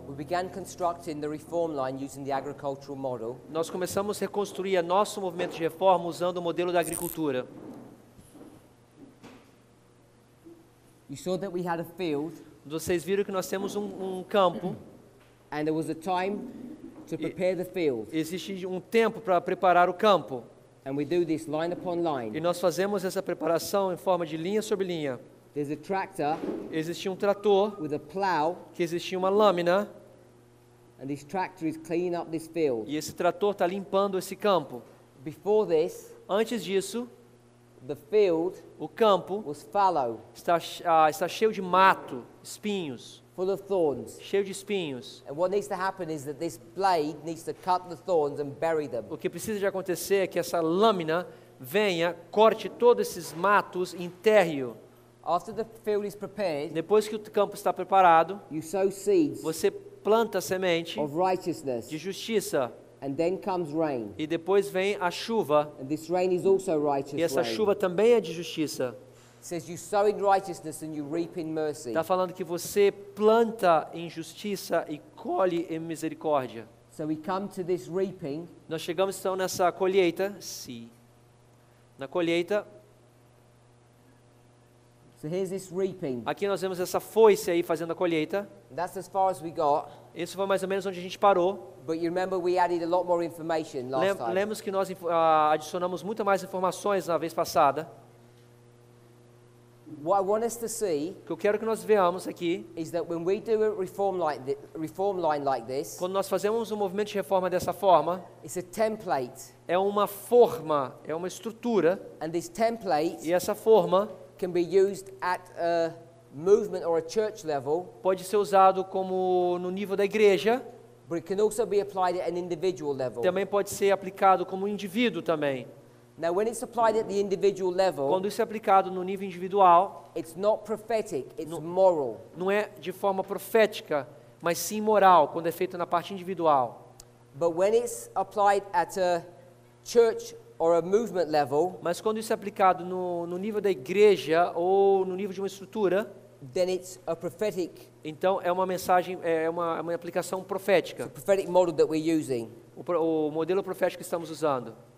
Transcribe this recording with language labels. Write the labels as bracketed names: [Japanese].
[English] we began constructing the reform line using the agricultural model. [Portuguese] Nós começamos a reconstruir nosso movimento de reforma usando o modelo da agricultura. [English] You saw that we had a field. [Portuguese] Vocês viram que nós temos um campo. [English] And there was a time to prepare the field. [Portuguese] Existe tempo para preparar o campo. [English] And we do this line upon line. [Portuguese] E nós fazemos essa preparação em forma de linha sobre linha. [English] There's a tractor. [Portuguese] Existe trator. [English] With a plow. [Portuguese] Que existe uma lâmina. [English] And this tractor is cleaning up this field. [Portuguese] E esse trator está limpando esse campo. [English] Before this. [Portuguese] Antes disso. [English] The field. [Portuguese] O campo. [English] Was fallow. [Portuguese] Está cheio de mato, espinhos. [English] Full of thorns. [Portuguese] Cheio de espinhos. [English] And what needs to happen is that this blade needs to cut the thorns and bury them. [Portuguese] O que precisa de acontecer é que essa lâmina venha, corte todos esses matos e enterre-o. [English] After the field is prepared, [Portuguese] depois que o campo está preparado, [English] you sow seeds, [Portuguese] você planta a semente [English] of righteousness, [Portuguese] de justiça, [English] and then comes rain. [Portuguese] E depois vem a chuva, [English] and this rain is also righteous [Portuguese] e essa [English] rain. [Portuguese] Chuva também é de justiça. [English] Says you sow in righteousness and you reap in mercy. [Portuguese] Está falando que você planta em justiça e colhe em misericórdia. [English] So we come to this reaping. [Portuguese] Nós chegamos então nessa colheita, sim, na colheita. [English] So here's this reaping. [Portuguese] Aqui nós vemos essa foice aí fazendo a colheita. [English] That's as far as we got. [Portuguese] Isso foi mais ou menos onde a gente parou. [English] But you remember we added a lot more information last time. [Portuguese] Lembramos que nós adicionamos muita mais informações na vez passada. [English] What I want us to see, [Portuguese] o que eu quero que nós vejamos aqui, [English] is that when we do a reform line like this, [Portuguese] quando nós fazemos movimento de reforma dessa forma, [English] it's a template. [Portuguese] É uma forma, é uma estrutura. [English] And this template, [Portuguese] e essa forma, [English] can be used at a movement or a church level. [Portuguese] Pode ser usado como no nível da igreja. [English] But it can also be applied at an individual level. [Portuguese] Também pode ser aplicado como indivíduo também. [English] Now, when it's applied at the individual level, [Portuguese] quando isso é aplicado no nível individual, [English] it's not prophetic, it's moral. [Portuguese] Não é de forma profética, mas sim moral quando é feito na parte individual. [English] But when it's applied at a church or a movement level, [Portuguese] mas quando isso é aplicado no nível da igreja ou no nível de uma estrutura, [English] then it's a prophetic. [Portuguese] Então é uma mensagem, é uma aplicação profética. [English] It's a prophetic model that we're using. [Portuguese] O modelo profético que estamos usando.